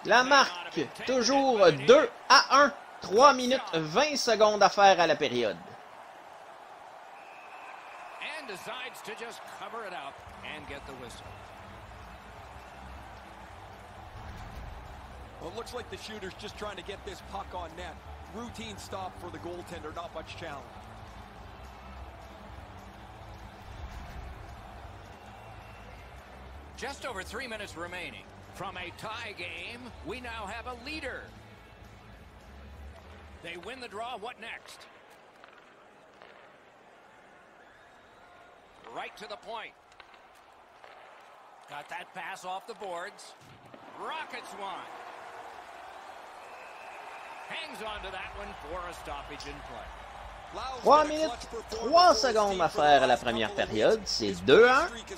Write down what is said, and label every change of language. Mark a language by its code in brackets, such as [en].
[fr] La marque, toujours 2 à 1, 3 minutes 20 secondes à faire à la période. [en] And decides to just cover it up and get the whistle. Well, it looks like the shooter's just trying to get this puck on net. Routine stop for the goaltender, not much challenge. Just over 3 minutes remaining. From a tie game, we now have a leader. They win the draw. What next? Right to the point. Got that pass off the boards. Rockets one. Hangs on to that one for a stoppage in play. [fr] 3 minutes, 3 secondes à faire à la première période, c'est 2-1.